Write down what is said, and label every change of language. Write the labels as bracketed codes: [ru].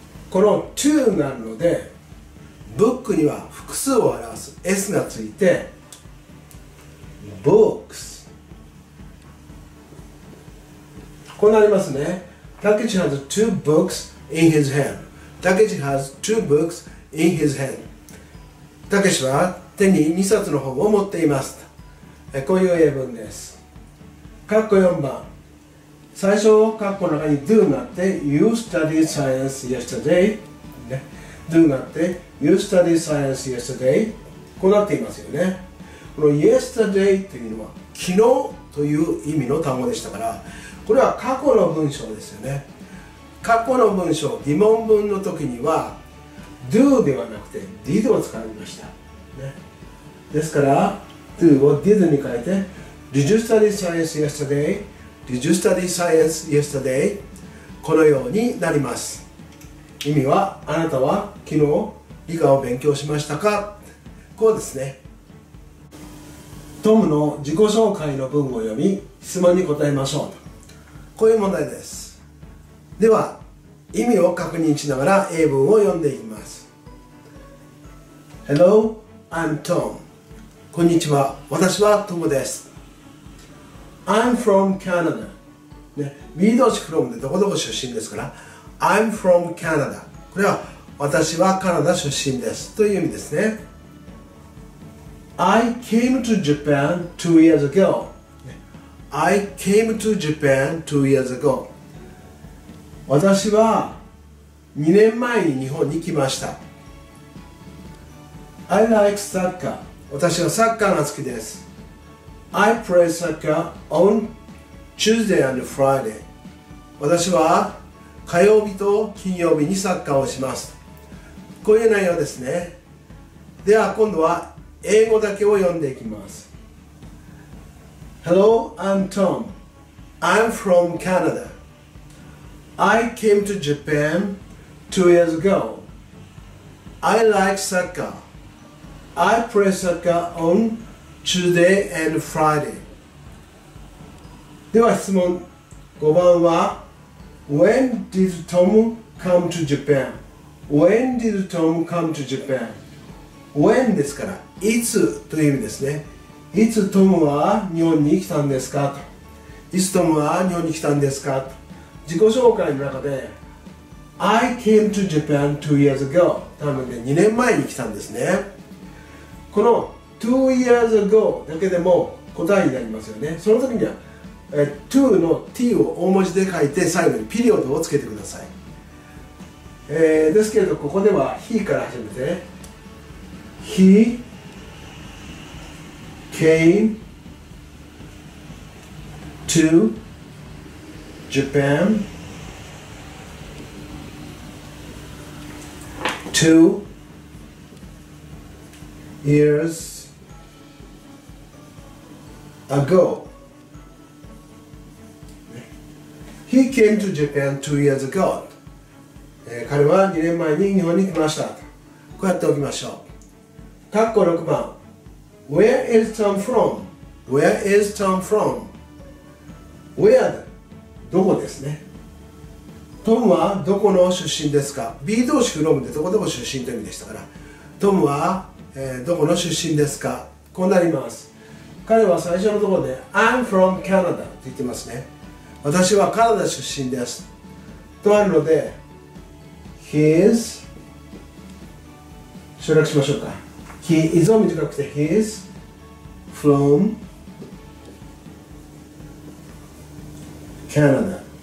[ja] この two があるので book には複数を表す s がついて booksこうなりますね。 [en] たけし has two books in his hand。 たけし has two books in his hand。 [ja] たけしは手に2冊の本を持っています、こういう英文です。括弧4番、最初括弧の中に do があって [en] You studied science yesterday、 [ja] ね、do があって You studied science yesterday、 こうなっていますよね。この yesterday というのは昨日という意味の単語でしたから、これは過去の文章ですよね。過去の文章、疑問文の時には do ではなくて did を使いました、ね、ですから do を did に変えて [en] Did you study science yesterday? Did you study science yesterday? [ja] このようになります。意味はあなたは昨日理科を勉強しましたか、こうですね。トムの自己紹介の文を読み質問に答えましょう、こういう問題です。では意味を確認しながら英文を読んでいきます。 [en] Hello, I'm Tom。 [ja] こんにちは、私はトムです。 [en] I'm from Canada、 [ja] ね、be 動詞 from でどこどこ出身ですから I'm from Canada、 これは私はカナダ出身ですという意味ですね。 [en] I came to Japan 2 years agoI came to Japan 2 years ago。 [ja] 私は2年前に日本に来ました。 [en] I like soccer。 [ja] 私はサッカーが好きです。 [en] I play soccer on Tuesday and Friday。 [ja] 私は火曜日と金曜日にサッカーをします、こういう内容ですね。では今度は英語だけを読んでいきます。 [en] Hello, I'm Tom. I'm from Canada. I came to Japan 2 years ago. I like soccer. I play soccer on Tuesday and Friday. [ja] では質問5番は [en] When did Tom come to Japan? When did Tom come to Japan? [ja] When ですからいつという意味ですね。いつトムは日本に来たんですか、いつトムは日本に来たんですか。自己紹介の中で [en] I came to Japan 2 years ago. [ja] 多分ね、2年前に来たんですね。この [en] 2 years ago [ja] だけでも答えになりますよね。その時には2 の T を大文字で書いて最後にピリオドをつけてください。ですけれど、ここでは [en] He [ja] から始めて [en] He came to Japan 2 years ago. He came to Japan 2 years ago. [ja] 彼は2年前に日本に来ました。こうやっておきましょう。括弧6番。 [en] Where is Tom from? Where is Tom from? Where? [ja] どこですね。 Tom はどこの出身ですか。B 動詞 from でどこでも出身という意味でしたから。 Tom は、どこの出身ですか。こうなります。彼は最初のところで [en] I'm from Canada [ja] と言ってますね。私はカナダ出身ですとあるので He is 省略しましょうか。 [en] He is [ja] を短くて [en] He is from Canada。